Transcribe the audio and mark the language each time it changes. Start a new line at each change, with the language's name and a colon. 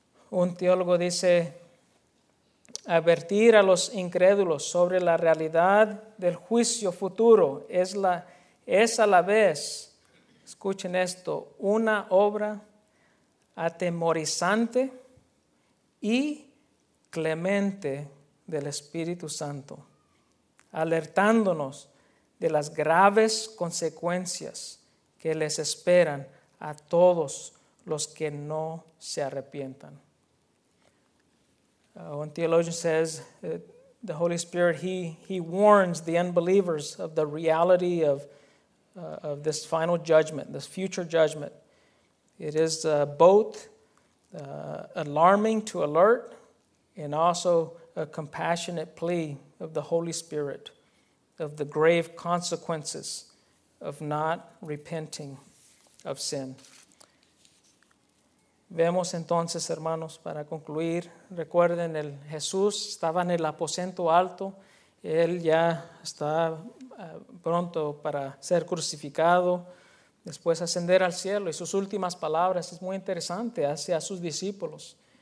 Spanish: Un teólogo dice, advertir a los incrédulos sobre la realidad del juicio futuro es a la vez, escuchen esto, una obra atemorizante y clemente del Espíritu Santo, alertándonos de las graves consecuencias que les esperan a todos los que no se arrepientan.
English: One theologian says, the Holy Spirit, he warns the unbelievers of the reality of this final judgment, this future judgment. It is both alarming to alert and also a compassionate plea of the Holy Spirit of the grave consequences of not repenting of sin.
Spanish: Vemos entonces, hermanos, para concluir, recuerden, el Jesús estaba en el aposento alto, él ya está pronto para ser crucificado, después ascender al cielo, y sus últimas palabras, es muy interesante, hacia sus discípulos.